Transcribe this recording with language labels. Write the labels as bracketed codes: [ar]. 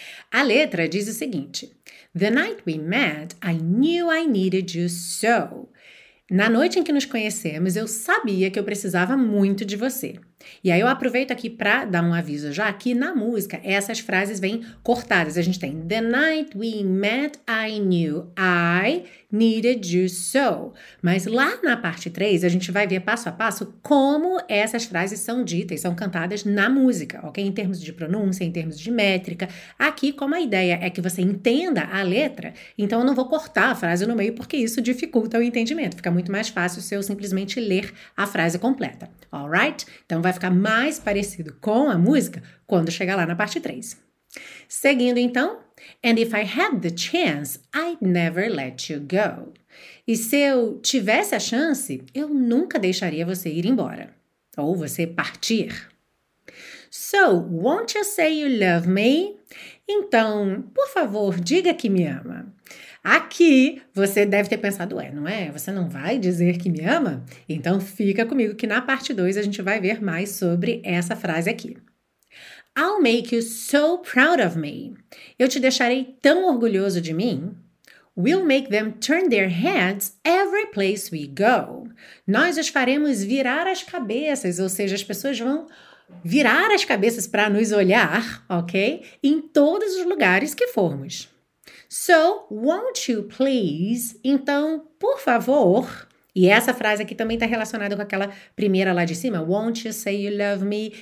[pt] A letra diz o seguinte: [en] The night we met, I knew I needed you so. [pt] Na noite em que nos conhecemos, eu sabia que eu precisava muito de você. E aí eu aproveito aqui para dar um aviso já que na música essas frases vêm cortadas. A gente tem [en] The night we met, I knew I needed you so. [pt] Mas lá na parte 3, a gente vai ver passo a passo como essas frases são ditas, são cantadas na música, ok? Em termos de pronúncia, em termos de métrica. Aqui, como a ideia é que você entenda a letra, então eu não vou cortar a frase no meio porque isso dificulta o entendimento. Fica muito mais fácil se eu simplesmente ler a frase completa. Alright? Então vai ficar mais parecido com a música quando chegar lá na parte 3. Seguindo então, [en] and if I had the chance, I'd never let you go. [pt] E se eu tivesse a chance, eu nunca deixaria você ir embora. Ou você partir. [en] So, won't you say you love me? [pt] Então, por favor, diga que me ama. Aqui você deve ter pensado, ué, não é? Você não vai dizer que me ama? Então fica comigo que na parte 2 a gente vai ver mais sobre essa frase aqui. [en] I'll make you so proud of me. [pt] Eu te deixarei tão orgulhoso de mim. [en] We'll make them turn their heads every place we go. [pt] Nós os faremos virar as cabeças, ou seja, as pessoas vão virar as cabeças para nos olhar, ok? Em todos os lugares que formos. [en] So, won't you please? [pt] Então, por favor. E essa frase aqui também está relacionada com aquela primeira lá de cima, [en] won't you say you love me?